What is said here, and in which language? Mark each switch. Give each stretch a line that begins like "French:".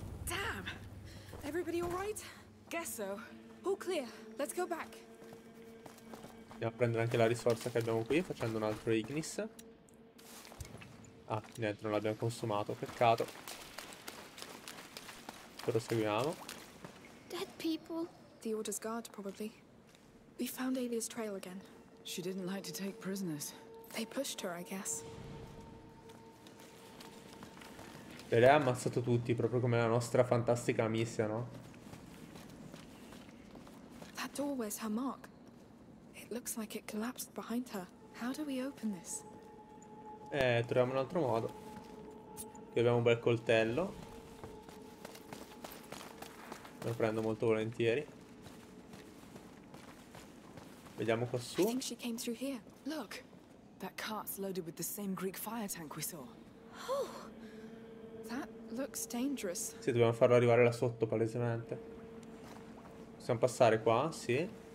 English: Damn. Everybody all right? Guess so. All clear. Let's go back.
Italian: Andiamo a prendere anche la risorsa che abbiamo qui facendo un altro ignis. Ah, niente, non l'abbiamo consumato, peccato. Proseguiamo.
English: Dead people. The Order's guard, probably. We found Aelia's trail again. She didn't like to take prisoners. They pushed her, I guess.
Italian: E lei ha ammazzato tutti, proprio come la nostra fantastica amica, no?
English: That door wears her mark. It looks like it collapsed behind her. How do we open this?
Italian: Troviamo un altro modo. Qui abbiamo un bel coltello. Lo prendo molto volentieri. Vediamo qua su.
English: I think she came through here. Look, that cart's loaded with the same Greek fire tank we saw. Oh, that looks dangerous.
Italian: Sì, dobbiamo farlo arrivare là sotto, palesemente. Possiamo passare qua, sì.